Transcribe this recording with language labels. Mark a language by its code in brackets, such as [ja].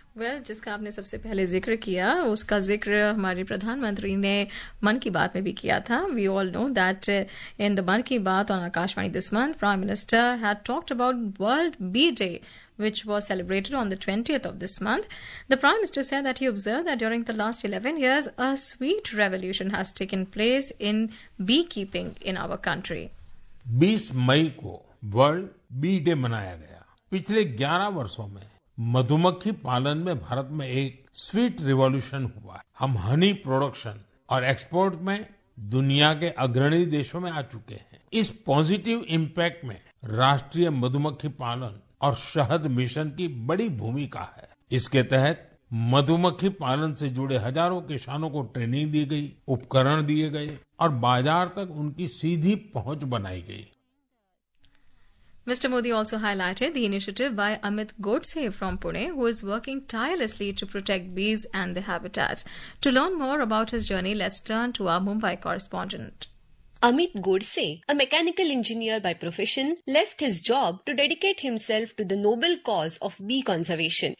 [hi] Well, जिसका आपने सबसे पहले जिक्र किया, उसका जिक्र हमारे प्रधानमंत्री ने मन की बात में भी किया था। [en] We all know that in the Mann Ki Baat on Akashvani this month, prime minister had talked about world bee day which was celebrated on the 20th of this month. The Prime Minister said that he observed that during the last 11 years, a sweet revolution has taken place in beekeeping in our country. [hi] 20 मई को world B day मनाया गया। पिछले 11 वर्षों में मधुमक्खी पालन में भारत में एक स्वीट रिवॉल्यूशन हुआ है। हम हनी प्रोडक्शन और एक्सपोर्ट में दुनिया के अग्रणी देशों में आ चुके हैं। इस पॉजिटिव इम्पैक्ट में राष्ट्रीय मधुमक्खी पालन और शहद मिशन की बड़ी भूमिका है। इसके तहत मधुमक्खी पालन से जुड़े हजारों किसानों को ट्रेनिंग दी गई, उपकरण दिए गए और बाजार तक उनकी सीधी पहुंच बनाई गई. [en] Mr. Modi also highlighted the initiative by Amit Godse from Pune, who is working tirelessly to protect bees and their habitats. To learn more about his journey, let's turn to our Mumbai correspondent. Amit Godse, a mechanical engineer by profession, left his job to dedicate himself to the noble cause of bee conservation.